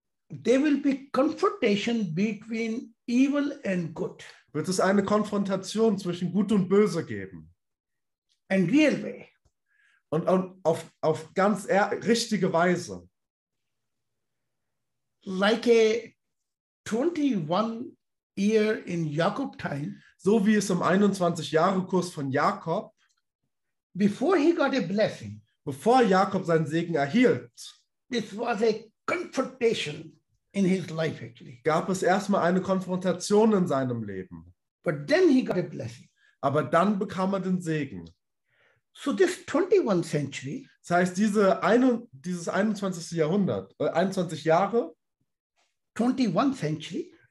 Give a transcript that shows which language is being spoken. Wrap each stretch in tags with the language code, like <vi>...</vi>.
<en>there will be confrontation between evil and good.</en> <de>Wird es eine Konfrontation zwischen Gut und Böse geben.</de> <en>And real way.</en> <de>Und auf ganz richtige Weise.</de> <en>Like a 21 year in Jakob time.</en> <de>So wie es im 21 Jahre Kurs von Jakob.</de> <en>Before he got a blessing.</en> <de>Bevor Jakob seinen Segen erhielt.</de> <en>This was a confrontation in his life actually.</en> <de>Gab es erstmal eine Konfrontation in seinem Leben.</de> <en>But then he got a blessing.</en> <de>Aber dann bekam er den Segen.</de> <en>So this 21st century,</en> <de>das heißt, dieses 21. Jahrhundert, 21 Jahre,</de> <en>21st century,</en>